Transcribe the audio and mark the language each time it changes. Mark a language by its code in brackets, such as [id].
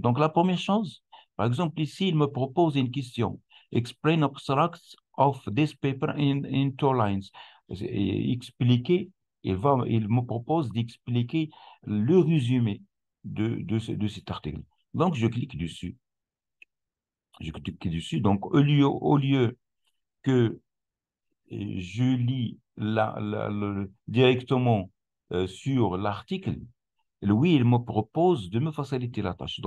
[fr] Donc, la première chose, par exemple, ici, il me propose une question. [en] Explain abstracts of this paper in two lines. [fr] Expliquer, il me propose d'expliquer le résumé de cet article. Donc, je clique dessus. Je clique dessus. Donc, au lieu que je lis directement sur l'article, oui, il me propose de me faciliter la tâche.